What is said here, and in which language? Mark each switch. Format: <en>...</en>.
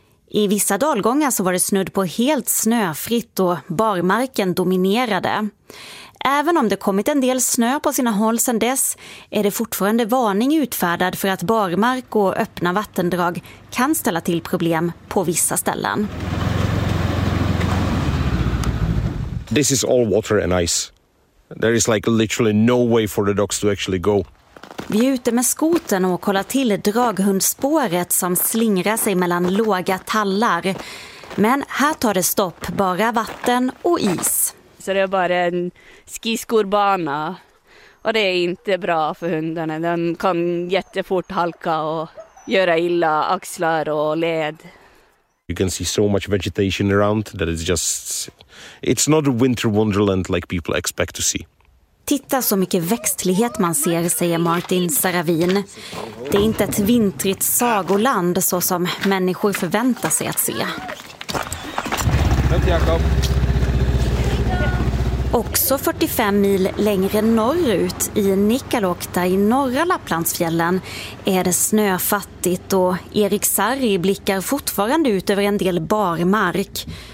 <sv>I vissa dalgångar så var det snudd på helt snöfritt och barmarken dominerade. Även om det kommit en del snö på sina håll sedan dess är det fortfarande varning utfärdad för att barmark och öppna vattendrag kan ställa till problem på vissa ställen.</sv> <en>this is all water and ice. There is like literally no way for the dogs to actually go.</en> <sv>Vi är ute med skoten och kollar till draghundspåret som slingrar sig mellan låga tallar. Men här tar det stopp, bara vatten och is. Så det är bara en skiskorbana. Och det är inte bra för hundarna. Den kan jättefort halka och göra illa axlar och led.</sv> <en>You can see so much vegetation around that it's just... It's not a winter wonderland like people expect to see.</en> <sv>Titta så mycket växtlighet man ser, säger Martin Saravin. Det är inte ett vintrigt sagoland så som människor förväntar sig att se. Vänta, Jakob. Också 45 mil längre norrut i Nikkaluokta i norra Lapplandsfjällen är det snöfattigt och Erik Sarri blickar fortfarande ut över en del barmark.</sv>